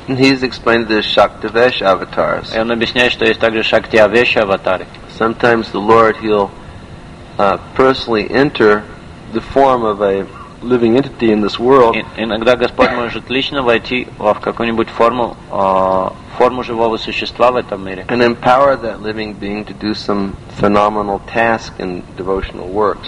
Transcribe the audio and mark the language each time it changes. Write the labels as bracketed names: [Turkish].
[English] And he's explained the Shaktivesh avatars. [Russian] И он объясняет, что есть также Шактиавеш аватары. [English] Sometimes the Lord, he'll personally enter the form of a living entity in this world. [Russian] Иногда Господь может лично войти в какую-нибудь форму живого существа в этом мире. [English] And empower that living being to do some phenomenal task and devotional works.